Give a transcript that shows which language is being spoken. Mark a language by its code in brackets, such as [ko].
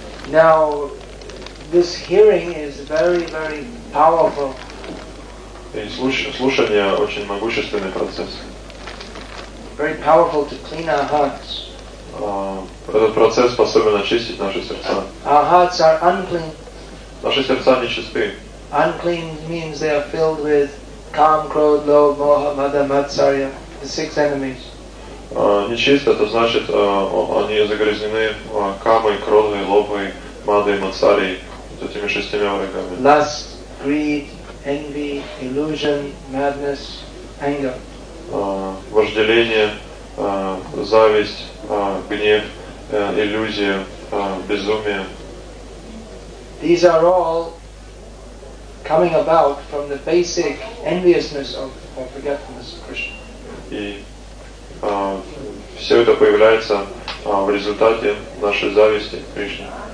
[en] Now, this hearing is very, very powerful. [ru] И слушание очень могущественный процесс. [en] Very powerful to clean our hearts. [ru] Этот процесс способен очистить наши сердца. [en] Our hearts are unclean. [ru] Наши сердца нечисты. [en] Unclean means they are filled with kam, krodh, lobh, moha, mada, matsarya. The six enemies. [ru] Нечисто, это значит, они загрязнены камой, кровью, лобой, мадой, мацарей, вот этими шестими врагами. [en] Lust, greed, envy, illusion, madness, anger. [ru] Вожделение, зависть, гнев, иллюзия, безумие. [en] These are all coming about from the basic enviousness of forgetfulness of Krishna. [ru] И все это появляется в результате нашей зависти к Кришне.